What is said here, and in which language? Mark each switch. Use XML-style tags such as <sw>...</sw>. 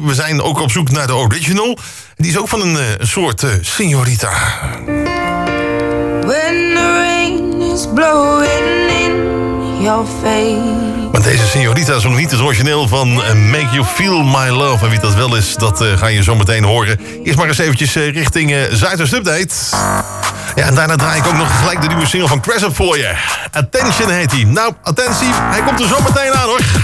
<nl>We zijn ook op zoek naar de original. Die is ook van een soort Señorita.</nl> <en>When the rain is blowing in your face.</en> <nl>Maar deze Señorita is nog niet het origineel van Make You Feel My Love. En wie dat wel is, dat ga je zo meteen horen. Eerst maar eens eventjes richting Zuidoost Update. Ja, en daarna draai ik ook nog gelijk de nieuwe single van Crescent voor je. Attention heet hij. Nou, attentie, hij komt er zo meteen aan hoor.</nl>